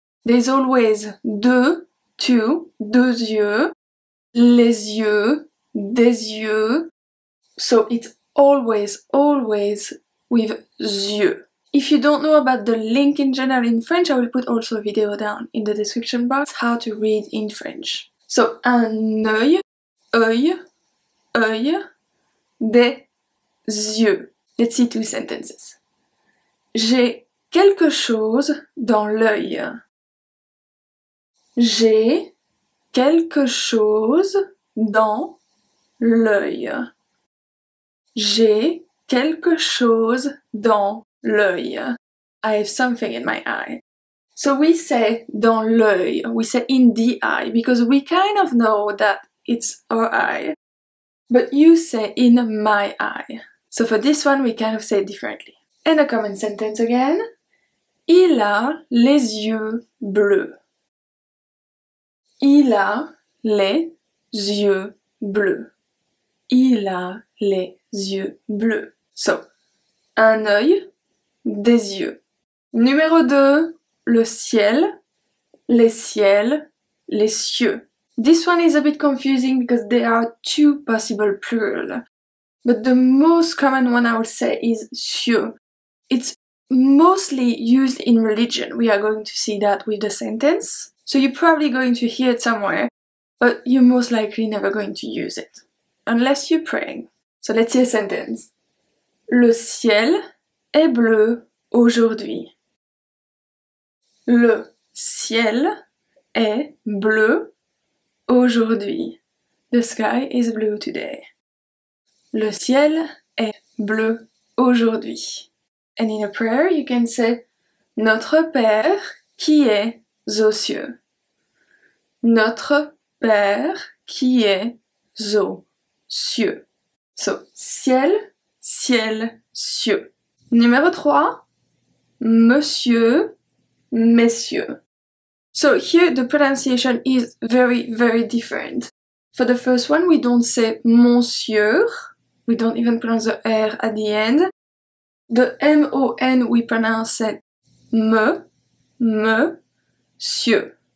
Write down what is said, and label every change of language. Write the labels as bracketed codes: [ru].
[en] There's always deux, two, [fr] deux yeux. Les yeux, des yeux. [en] So it's always, always with yeux. If you don't know about the link in general in French, I will put also a video down in the description box how to read in French. [fr] So un œil, œil, œil, des yeux. [en] Let's see two sentences. [fr] J'ai quelque chose dans l'œil. J'ai quelque chose dans l'œil. J'ai quelque chose dans l'œil. [en] I have something in my eye. So we say [fr] dans l'œil, [en] we say in the eye, because we kind of know that it's our eye. But you say in my eye. So for this one, we kind of say it differently. And a common sentence again. [fr] Il a les yeux bleus. Il a les yeux bleus. Il a les yeux bleus. So, un œil, des yeux. Numéro 2, le ciel, les ciels, les cieux. [en] This one is a bit confusing because there are two possible plural. But the most common one I would say is cieux. It's mostly used in religion. We are going to see that with the sentence. So you're probably going to hear it somewhere, but you're most likely never going to use it. Unless you're praying. So let's see a sentence. [fr] Le ciel est bleu aujourd'hui. Le ciel est bleu aujourd'hui. [en] The sky is blue today. [fr] Le ciel est bleu aujourd'hui. [en] And in a prayer, you can say [fr] Notre Père qui est aux cieux. Notre Père qui est aux cieux. So, ciel, ciel, cieux. Numéro 3, monsieur, messieurs. [en] So, here the pronunciation is very, very different. For the first one, we don't say monsieur. We don't even pronounce the R at the end. The M-O-N, we pronounce it me, me, cieux.